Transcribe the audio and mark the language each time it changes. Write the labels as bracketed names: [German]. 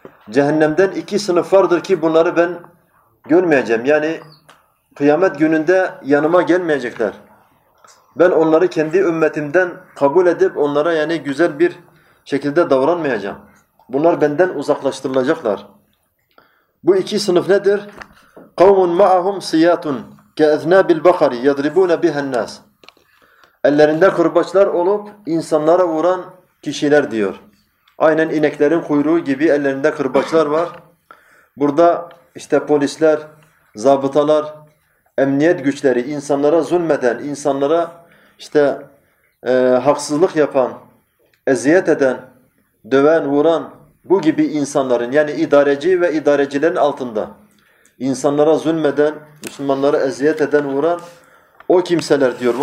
[Turkish] Cehennemden iki sınıf vardır ki bunları ben görmeyeceğim. Yani kıyamet gününde yanıma gelmeyecekler. Ben onları kendi ümmetimden kabul edip onlara yani güzel bir şekilde davranmayacağım. Bunlar benden uzaklaştırılacaklar. Bu iki sınıf nedir? [Arabic] قَوْمٌ مَعَهُمْ سِيَاتٌ كَأَذْنَابِ الْبَقَرِ يَدْرِبُونَ بِهَا النَّاسِ [Turkish] Ellerinde kırbaçlar olup insanlara vuran kişiler diyor. Aynen ineklerin kuyruğu gibi ellerinde kırbaçlar var. Burada işte polisler, zabıtalar, emniyet güçleri, insanlara zulmeden, insanlara işte haksızlık yapan, eziyet eden, döven, vuran bu gibi insanların yani idareci ve idarecilerin altında insanlara zulmeden, Müslümanlara eziyet eden, vuran o kimseler diyor.